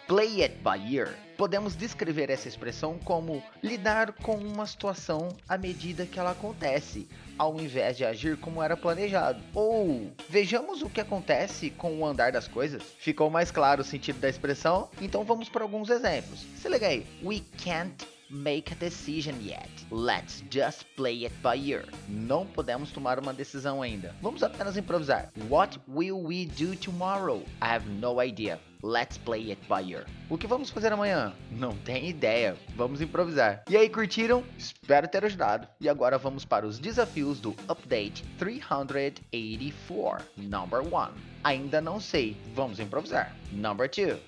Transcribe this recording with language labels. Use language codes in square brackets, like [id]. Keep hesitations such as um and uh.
[pt] Play it by ear podemos descrever essa expressão como lidar com uma situação à medida que ela acontece, ao invés de agir como era planejado. Ou vejamos o que acontece com o andar das coisas. Ficou mais claro o sentido da expressão? Então vamos para alguns exemplos. Se liga aí. [en] We can't make a decision yet. Let's just play it by ear. [pt] Não podemos tomar uma decisão ainda. Vamos apenas improvisar. [en] What will we do tomorrow? I have no idea. Let's Play It By Ear. [pt] O que vamos fazer amanhã? Não tem ideia. Vamos improvisar. E aí, curtiram? Espero ter ajudado. E agora vamos para os desafios do Update 384. [en] Number one. [pt] Ainda não sei. Vamos improvisar. [en] Number two.